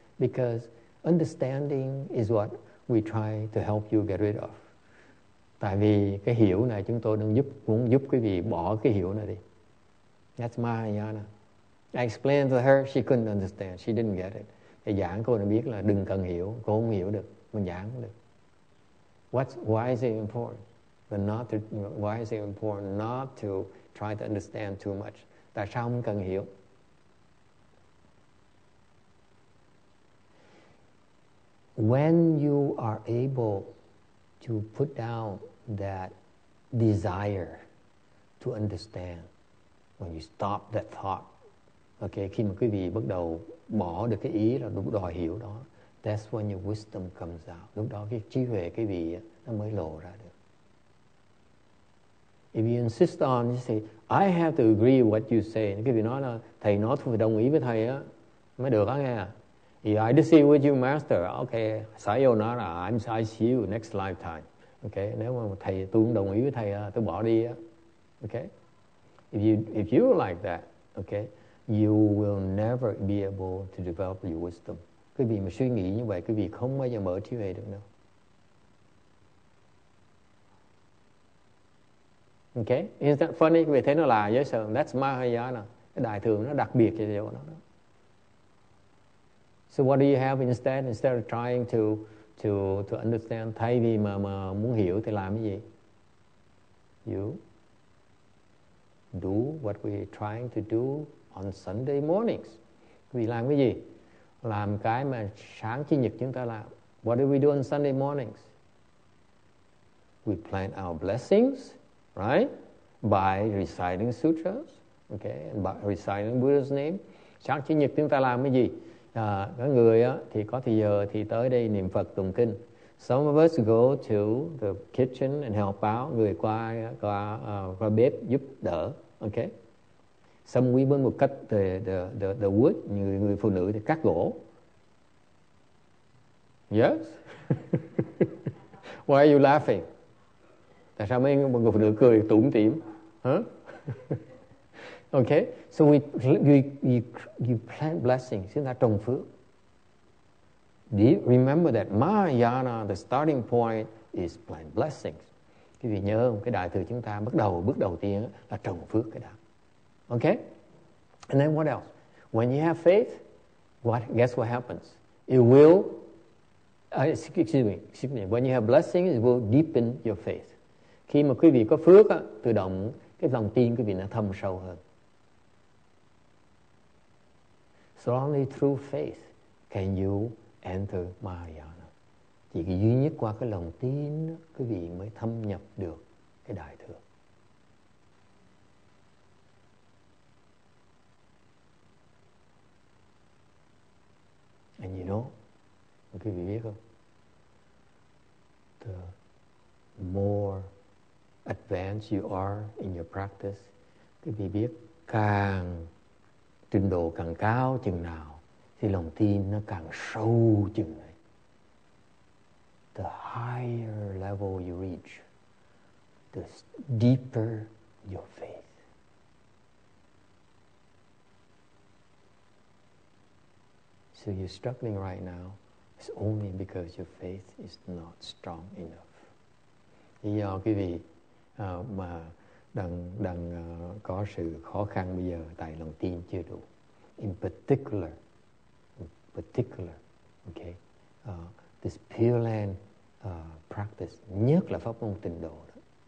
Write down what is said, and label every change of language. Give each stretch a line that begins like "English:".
English: Because understanding is what we try to help you get rid of.
Vietnamese: Tại vì cái hiểu này chúng tôi đang muốn giúp quý vị bỏ cái hiểu này đi.
English: That's Mahayana. I explained to her, she couldn't understand. She didn't get it.
Vietnamese: Thì giảng cô đã biết là đừng cần hiểu, cô không hiểu được, mình giảng không được.
English: Why is it important? Why is it important not to try to understand too much?
Vietnamese: Tại sao không cần hiểu?
English: When you are able to put down that desire to understand, when you stop that thought, okay,
Vietnamese: khi mà quý vị bắt đầu bỏ được cái ý là đúng đòi hiểu đó,
English: that's when your wisdom comes out.
Vietnamese: Lúc đó cái trí huệ quý vị nó mới lộ ra được.
English: If you insist on, you say, I have to agree what you say.
Vietnamese: Quý vị nói là thầy nói tôi phải đồng ý với thầy á, mới được á nghe.
English: Yeah, I disagree with you, master. Okay, sayonara, I see you next lifetime.
Vietnamese: Okay, nếu mà thầy, tôi cũng đồng ý với thầy, tôi bỏ đi.
English: Okay, if you like that, okay, you will never be able to develop your wisdom.
Vietnamese: Quý vị mà suy nghĩ như vậy, quý vị không bao giờ mở trí huệ được đâu.
English: Okay, is that funny?
Vietnamese: Quý vị thấy nó là dễ sợ.
English: That's Mahayana.
Vietnamese: Cái đại thừa nó đặc biệt cái điều đó.
English: So what do you have instead of trying to understand?
Vietnamese: Thay vì mà muốn hiểu thì làm cái gì?
English: You do what we're trying to do on Sunday mornings.
Vietnamese: Vì làm cái gì? Làm cái mà sáng chủ nhật chúng ta làm.
English: What do we do on Sunday mornings? We plan our blessings, right? By reciting sutras, okay? And by reciting Buddha's name.
Vietnamese: Sáng chủ nhật chúng ta làm cái gì? Có người á, thì có thời giờ thì tới đây niệm Phật tụng kinh.
English: Some of us go to the kitchen and help out.
Vietnamese: Người qua bếp giúp đỡ. Okay.
English: Some women will cut the wood.
Vietnamese: Người phụ nữ thì cắt gỗ.
English: Yes. Why are you laughing?
Vietnamese: Tại sao mấy người phụ nữ cười tủm tỉm?
English: Okay, so we plant blessings.
Vietnamese: Chúng ta trồng phước.
English: Do you remember that Mahayana, the starting point is plant blessings.
Vietnamese: Quý vị nhớ không? Cái đại thừa chúng ta bước đầu tiên là trồng phước cái đó.
English: Okay, and then what else? When you have faith, guess what happens? Excuse me. When you have blessings, it will deepen your faith.
Vietnamese: Khi mà quý vị có phước á, tự động cái lòng tin quý vị nó thâm sâu hơn.
English: So only through faith can you enter Mahayana.
Vietnamese: Chỉ cái duy nhất qua cái lòng tin, quý vị mới thâm nhập được cái đại thừa.
English: And you know,
Vietnamese: quý vị biết không?
English: The more advanced you are in your practice,
Vietnamese: quý vị biết càng trình độ càng cao chừng nào thì lòng tin nó càng sâu chừng này.
English: The higher level you reach, the deeper your faith. So you're struggling right now. It's only because your faith is not strong enough.
Vietnamese: Lý do quý vị mà đang có sự khó khăn bây giờ tại lòng tin chưa đủ.
English: In particular, okay, this Pure Land practice,
Vietnamese: nhất là pháp môn tịnh độ đó.